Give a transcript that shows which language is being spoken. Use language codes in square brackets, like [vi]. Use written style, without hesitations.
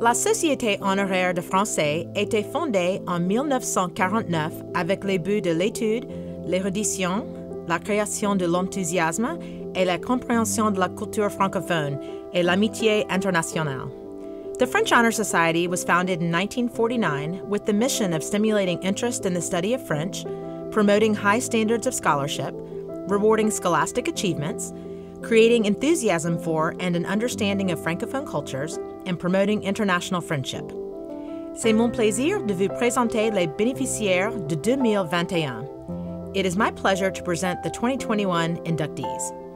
[fr] La Société Honoraire de Français était fondée en 1949 avec les buts de l'étude, l'érudition, la création de l'enthousiasme et la compréhension de la culture francophone et l'amitié internationale. [en] The French Honor Society was founded in 1949 with the mission of stimulating interest in the study of French, promoting high standards of scholarship, rewarding scholastic achievements, creating enthusiasm for and an understanding of Francophone cultures, and promoting international friendship. [fr] C'est mon plaisir de vous présenter les bénéficiaires de 2021. [en] It is my pleasure to present the 2021 inductees.